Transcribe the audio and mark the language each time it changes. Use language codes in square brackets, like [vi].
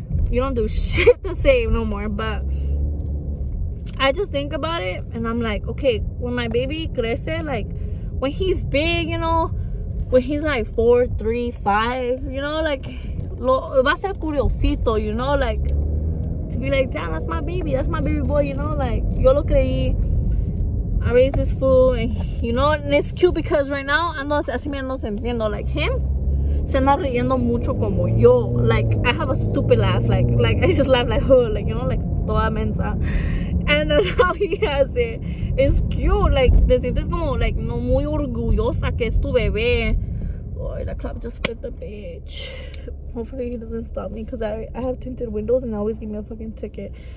[en] You don't do shit the same no more. But I just think about it and I'm like, okay, when my baby crece, like when he's big, you know, when he's like 4, 3, 5, you know, like [es] va a ser curiosito, [en] you know, like to be like, damn, that's my baby boy, you know, like [es] yo lo creí, [en] I raised this fool, and you know, and it's cute because right now [es] ando así me ando sintiendo, [en] like him [es] se anda riendo mucho como yo, [en] like I have a stupid laugh, like I just laugh like, oh, like you know, like [es] toda mensa. [en] And that's how he has it. It's cute. [es] Like, te sientes como, like, no muy orgullosa que es tu bebé. [en] Boy, the club just split the bitch. Hopefully he doesn't stop me because I have tinted windows and they always give me a fucking ticket.